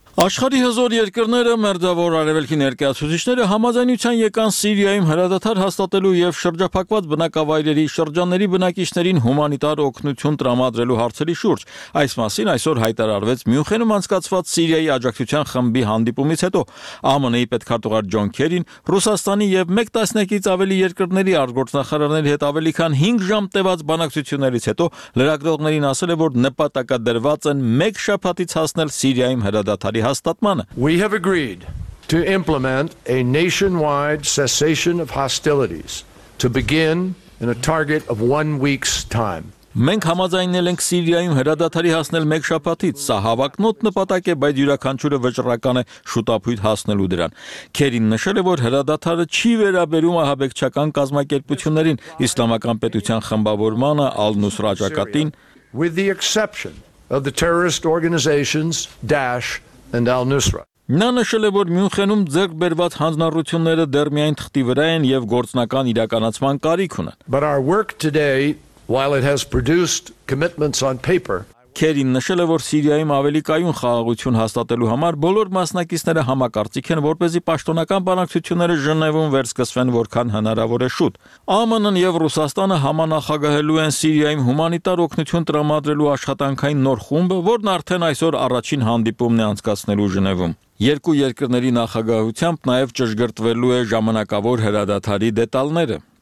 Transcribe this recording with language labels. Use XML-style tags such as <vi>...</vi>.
<hy>Աշխարհի հզոր երկրները, մերձավոր արևելքի ներկայացուցիչները համաձայնության եկան Սիրիայում հրադադար հաստատելու եւ շրջափակված բնակավայրերի շրջանների բնակիչներին հումանիտար օգնություն տրամադրելու հարցերի շուրջ։ Այս մասին այսօր հայտարարվեց Մյունխենում անցկացված Սիրիայի աջակցության խմբի հանդիպումից հետո ԱՄՆ-ի պետքարտուղար Ջոն Քերին, Ռուսաստանի եւ մեկ տասնյակից ավելի երկրների արտգործնախարարների հետ ավելի քան 5 ժամ տևած բանակցություններից հետո լրագրողներին ասել է, որ նպատակադրված են մեկ շաբաթից հասնել Սիրիայում հրադադար</hy> <en>We have agreed to implement a nationwide cessation of hostilities to begin in a target of 1 week's time.</en> <hy>Մենք համաձայնել ենք Սիրիայում հրադադարի հասնել մեկ շաբաթից, սա հավակնոտ նպատակ է, բայց յուրաքանչյուրը վճռական է շուտապույտ հասնելու դրան։ Քերին նշել է, որ հրադադարը չի վերաբերում ահաբեկչական կազմակերպություններին, իսլամական պետության խմբավորմանը, Ալ-Նուսրա ջակատին,</hy> <en>with the exception of the terrorist organizations Daesh and Al-Nusra.</en> <hy>Նա նշել է, որ Մյունխենում ձեռք բերված հանձնառությունները դեռ միայն թղթի վրա են եւ գործնական իրականացման կարիք ունեն.</hy> <en>But our work today, while it has produced commitments on paper,</en> <hy>Քերին նշել է, որ Սիրիայում ավելի կայուն խաղաղություն հաստատելու համար բոլոր մասնակիցները համակարծիք են, որպեսզի պաշտոնական բանակցությունները Ժնևում վերսկսվեն որքան հնարավոր է շուտ։ ԱՄՆ-ն եւ Ռուսաստանը համանախագահելու են Սիրիայում հումանիտար օգնություն տրամադրելու աշխատանքային նոր խումբը, որն արդեն այսօր առաջին հանդիպումն է անցկացնելու Ժնևում։ Երկու երկրների նախագահությամբ նաեւ ճշգրտվելու է ժամանակավոր հրադադարի դետալները։</hy>